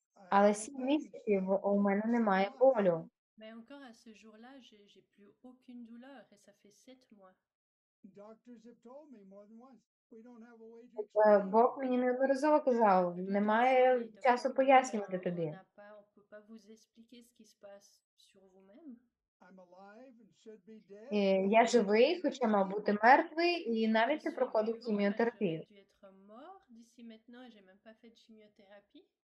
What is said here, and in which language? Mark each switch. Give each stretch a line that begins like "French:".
Ukrainian: Але 7 місяців у мене немає болю.
French: Mais encore à ce jour-là, j'ai plus aucune douleur et ça fait 7 mois.
English: Doctors have told me more than once. We don't have a way to
Ukrainian: Бог мені неодноразово казав, немає часу пояснювати тобі.
French: On peut pas vous expliquer ce qui se passe sur vous-même.
English: I'm alive and should be dead.
Ukrainian: Я живий, хоча мав бути мертвий, і навіть не проходив хіміотерапію.
French: Je suis mort d'ici maintenant et j'ai même pas fait de chimiothérapie.